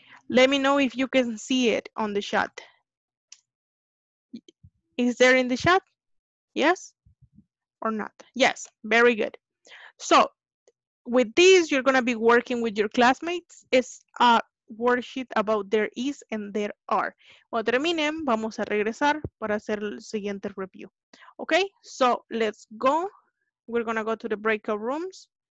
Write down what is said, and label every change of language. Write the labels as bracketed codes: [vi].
[en] Let me know if you can see it on the chat. Is there in the chat? Yes or not? Yes, very good. So with this, you're going to be working with your classmates. It's a worksheet about there is and there are. [es] Cuando terminen, vamos a regresar para hacer el siguiente review. [en] Okay, so let's go. We're going to go to the breakout rooms.